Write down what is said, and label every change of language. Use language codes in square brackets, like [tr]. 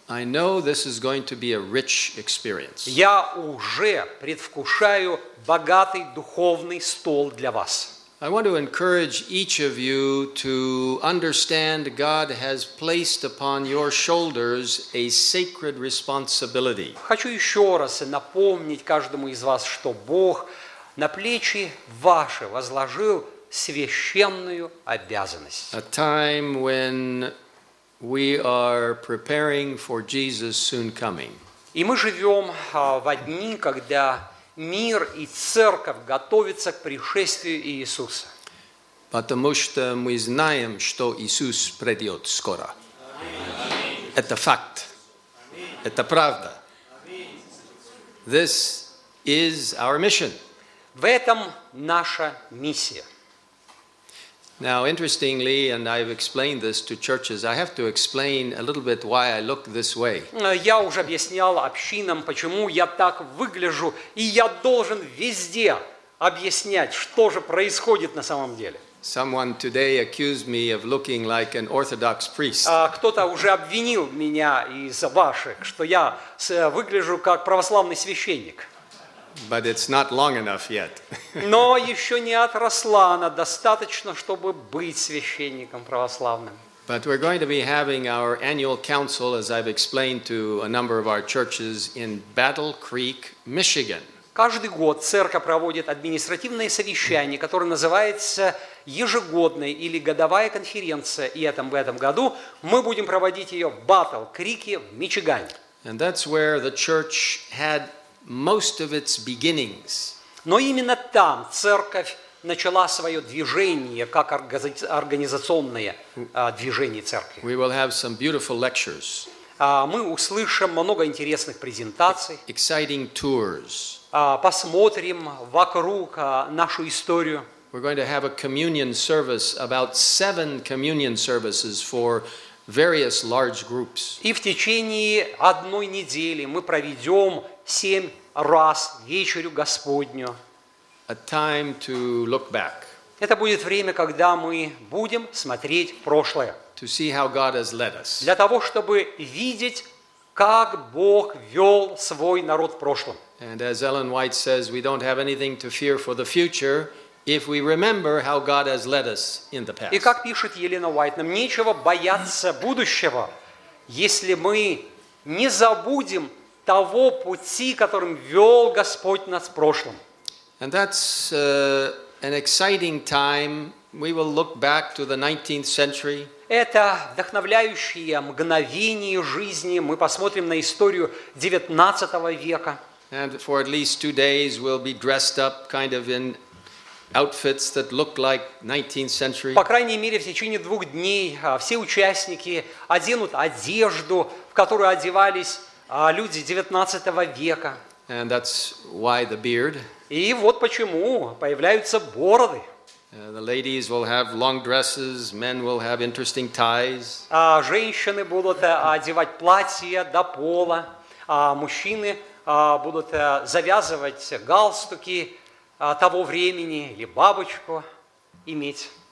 [en] I know this is going to be a rich experience. [ru] Я уже предвкушаю богатый духовный стол для вас. [en] I want to encourage each of you to understand God has placed upon your shoulders a sacred responsibility. [ru] Хочу еще раз напомнить каждому из вас, что Бог на плечи ваши возложил священную обязанность. [en] A time when we are preparing for Jesus soon coming. [ru] И мы живем в дни, когда мир и церковь готовятся к пришествию Иисуса. Потому что мы знаем, что Иисус придет скоро. Аминь. Это факт. Аминь. Это правда. Аминь. [en] This is our mission. [ru] В этом наша миссия. [en] Now, interestingly, and I've explained this to churches, I have to explain a little bit why I look this way. [ru] Я уже объяснял общинам, почему я так выгляжу, и я должен везде объяснять, что же происходит на самом деле. [en] Someone today accused me of looking like an orthodox priest. [ru] Кто-то уже обвинил меня из ваших, что я выгляжу как православный священник. [en] But it's not long enough yet. [ru] Но еще не отросла она достаточно, чтобы быть священником православным. [en] But we're going to be having our annual council, as I've explained to a number of our churches, in Battle Creek, Michigan. [ru] Каждый год церковь проводит административное совещание, которое называется ежегодной или годовая конференция, и в этом году мы будем проводить ее в Battle Creek, в Мичигане. [en] And that's where the church had most of its beginnings. [ru] Но именно там церковь начала свое движение, как организационное движение церкви. [en] We will have some beautiful lectures. [ru] Мы услышим много интересных презентаций. [en] Exciting tours. [ru] Посмотрим вокруг нашу историю. [en] We're going to have a communion service, about 7 communion services for various large groups. [ru] И в течение одной недели мы проведем 7 раз вечерю Господню. [en] A time to look back. [ru] Это будет время, когда мы будем смотреть в прошлое. [en] To see how God has led us. [ru] Для того, чтобы видеть, как Бог вел свой народ в прошлом. [en] And as Ellen White says, we don't have anything to fear for the future if we remember how God has led us in the past. [ru] И как пишет Елена Уайт, нам нечего бояться будущего, если мы не забудем того пути, которым вел Господь нас в прошлом. [en] And that's an exciting time. We will look back to the 19th century. [ru] Это вдохновляющие мгновения жизни. Мы посмотрим на историю 19 века. [en] And for at least 2 days we'll be dressed up kind of in outfits that look like 19th century. [ru] По крайней мере, в течение 2 дней все участники оденут одежду, в которую одевались люди 19 века. [en] And that's why the beard. [ru] И вот почему появляются бороды. [en] The ladies will have long dresses, men will have interesting ties. [ru] Женщины будут одевать платья до пола, мужчины будут завязывать галстуки того времени или бабочку иметь.